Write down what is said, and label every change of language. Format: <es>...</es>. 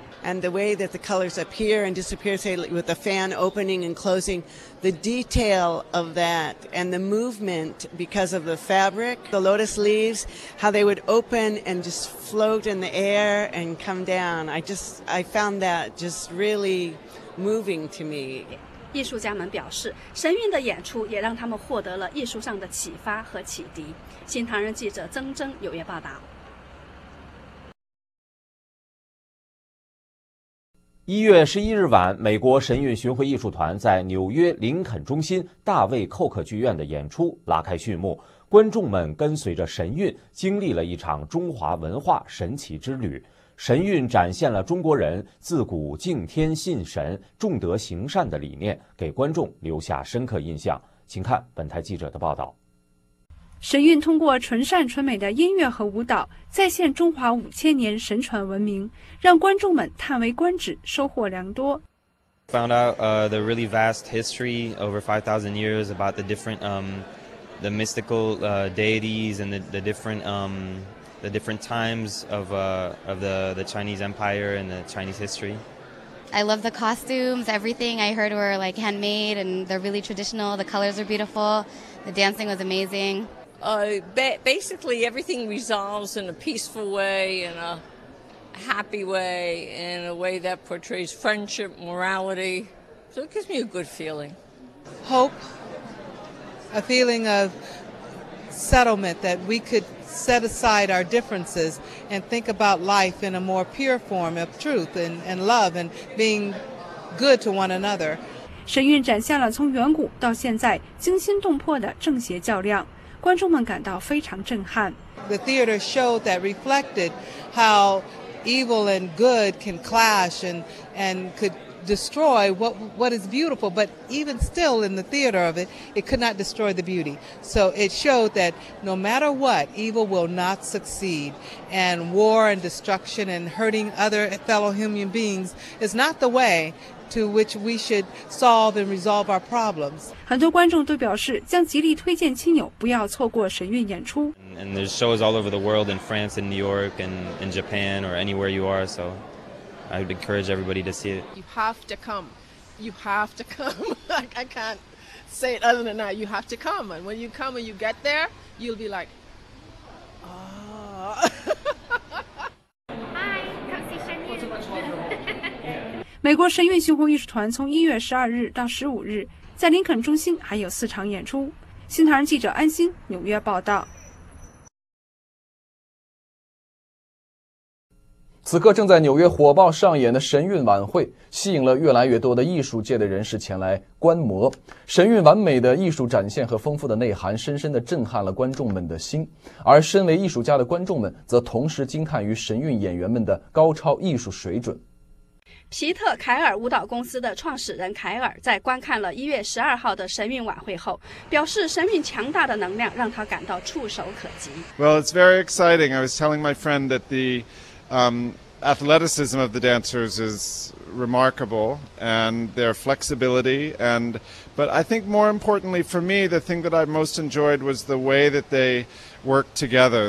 <en>And the way that the colors appear and disappear, say with the fan opening and closing, the detail of that and the movement because of the fabric, the lotus leaves, how they would open and just float in the air and come down. I found that just really moving to me.</en> <zh>艺术家们表示，神韵的演出也让他们获得了艺术上的启发和启迪。新唐人记者曾征有约报道。一月十一日晚，美国神韵巡回艺术团在纽约林肯中心大卫寇克剧院的演出拉开序幕，观众们跟随着神韵经历了一场中华文化神奇之旅。神韵展现了中国人自古敬天信神、重德行善的理念，给观众留下深刻印象。请看本台记者的报道。神韵通过纯善纯美的音乐和舞蹈，再现中华五千年神传文明，让观众们叹为观止，收获良多。</zh> <en>Found out the really vast history over 5,000 years about the different the mystical deities and the different the different times of the Chinese Empire and the Chinese history. I love the costumes, everything I heard were like handmade and they're really traditional. The colors are beautiful. The dancing was amazing. Basically everything resolves in a peaceful way, in a happy way, in a way that portrays friendship, morality. So it gives me a good feeling. Hope, a feeling of settlement that we could set aside our differences and think about life in a more pure form of truth and love and being good to one another.</en> <zh>神韵展现了从远古到现在惊心动魄的正邪较量，观众们感到非常震撼。</zh> <en>The theater showed that reflected how evil and good can clash and could destroy what is beautiful, but even still in the theater of it, it could not destroy the beauty. So it showed that no matter what, evil will not succeed, and war and destruction and hurting other fellow human beings is not the way to which we should solve and resolve our problems.</en> <zh>很多观众都表示将极力推荐亲友不要错过神韵演出。</zh> <en>And there's shows all over the world, in France, in New York, and in Japan, or anywhere you are, so... I would encourage everybody to see it. You have to come. You have to come. Like, I can't say it other than that. You have to come. And when you come and you get there, you'll be like, oh. Hi, come see 神韵.</en> <zh>美国神韵巡回艺术团从1月12日到15日在林肯中心还有四场演出。新唐人记者安心纽约报道。此刻正在纽约火爆上演的神韵晚会吸引了越来越多的艺术界的人士前来观摩，神韵完美的艺术展现和丰富的内涵深深地震撼了观众们的心，而身为艺术家的观众们则同时惊叹于神韵演员们的高超艺术水准。皮特·凯尔舞蹈公司的创始人凯尔在观看了1月12号的神韵晚会后表示，神韵强大的能量让他感到触手可及。</zh> <en>Well, it's very exciting. I was telling my friend that the athleticism of the dancers is remarkable, and their flexibility. But I think more importantly for me, the thing that I most enjoyed was the way that they worked together.</en>